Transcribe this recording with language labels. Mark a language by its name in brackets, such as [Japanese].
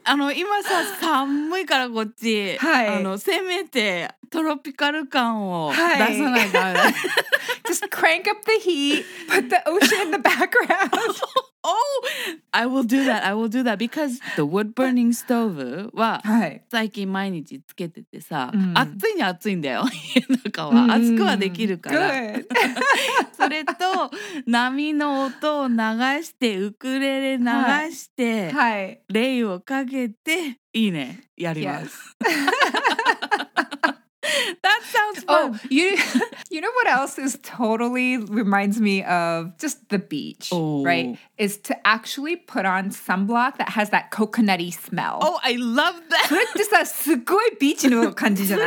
[Japanese] あの今さ寒いからこっち。はい。あのせめてトロピカル感を出さないから。はい、 [English] Just crank up the heat, put the ocean in the background. Oh, I will do that. I will do that because the wood burning stove [Japanese] は最近毎日つけててさ、はい、暑いに暑いんだよ。家の中は暑くはできるから。 [English] Good. [Japanese] それと波の音を流してウクレレ流して、はい、レイをかけていいね。やります。 [English] Yes. That sounds fun. Oh, you know what else is totally reminds me of just the beach, oh. right? Is to actually put on sunblock that has that coconutty smell. Oh, I love that. [Japanese] それってさ、すごいビーチの感じじゃない?